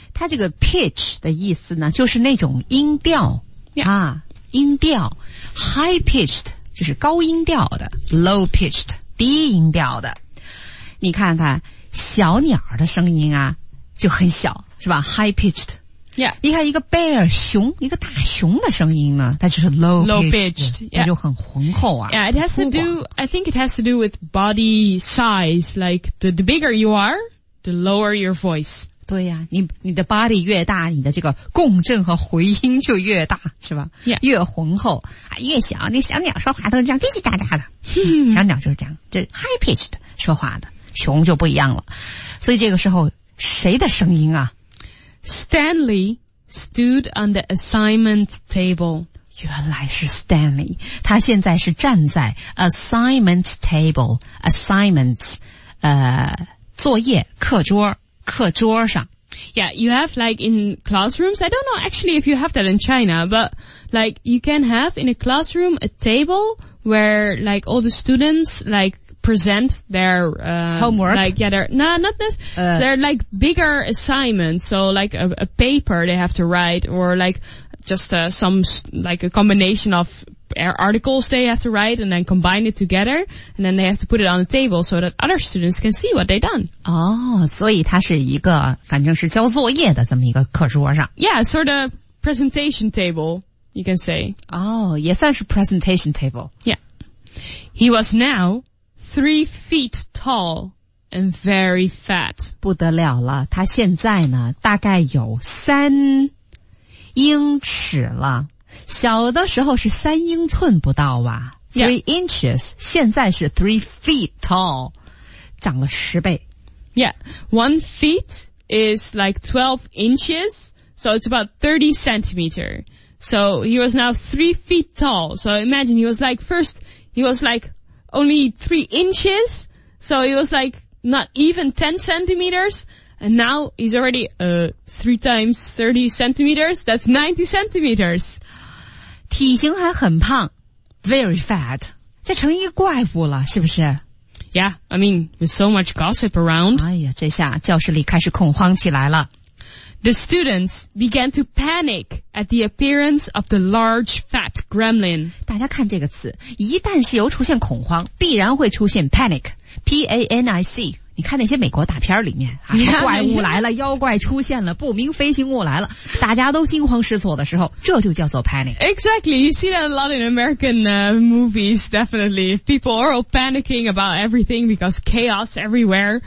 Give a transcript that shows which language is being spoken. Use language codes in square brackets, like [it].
[zh] 它这个 pitch 的意思呢，就是那种音调、 [en] yeah. [zh] 啊，音调 high pitched 就是高音调的 low pitched 低音调的。你看看小鸟的声音啊，就很小，是吧 ？ [en] High pitched. Yeah. [zh] 你看一个 bear 熊，一个大。熊的声音呢，它就是 [en] low pitched, yeah. [zh] 它就很浑厚啊。 [en] Yeah, it has to do, I think it has to do with body size, like the bigger you are, the lower your voice. [zh] 对呀、啊、你的 body 越大，你的这个共振和回音就越大，是吧、 [en] yeah. [zh] 越浑厚、啊、越小，那小鸟说话都是这样叽叽喳喳的。小鸟就是这样，这 high pitched 说话的，熊就不一样了。所以这个时候谁的声音啊？ [en] Stanley,stood on the assignment table. [zh] 原来是 Stanley. 他现在是站在 assignment table, assignments, 作业课桌上。 [en] Yeah, you have like in classrooms, I don't know actually if you have that in China, but like you can have in a classroom a table where like all the students like present their, homework. Like, yeah, they're like bigger assignments. So like a paper they have to write or like just some, like a combination of articles they have to write and then combine it together. And then they have to put it on the table so that other students can see what they've done. [zh] Oh, 所以它是一个反正是交作业的这么一个课桌上。 [en] Yeah, sort of presentation table, you can say. [zh] Oh, 也算是 presentation table. [en] Yeah. He was now,3 feet tall and very fat. [zh] 不得了了，他现在呢，大概有3英尺了。小的时候是3英寸不到吧 ？Three [en] yeah. inches. [zh] 现在是 [en] 3 feet tall, [zh] 长了10倍。 [en] Yeah, 1 foot is like 12 inches, so it's about 30 centimeter. So he was now 3 feet tall. So imagine he was like only 3 inches, so he was like not even 10 centimeters, and now he's already 3 times 30 centimeters, that's 90 centimeters. [zh] 体型还很胖 , [en] very fat, [zh] 这成一个怪物了是不是 [en] ?Yeah, I mean, with so much gossip around. [zh] 哎呀，这下教室里开始恐慌起来了。 [en] The students began to panic at the appearance of the large fat gremlin. [zh] 大家看这个词，一旦是由出现恐慌，必然会出现 panic, P-A-N-I-C. 你看那些美国大片里面、啊、 [en] yeah, [zh] 怪物来了、yeah. 妖怪出现了，不明飞行物来了，大家都惊慌失措的时候，这就叫做 panic. [en] Exactly, you see that a lot in American movies, definitely. People are all panicking about everything because chaos everywhere.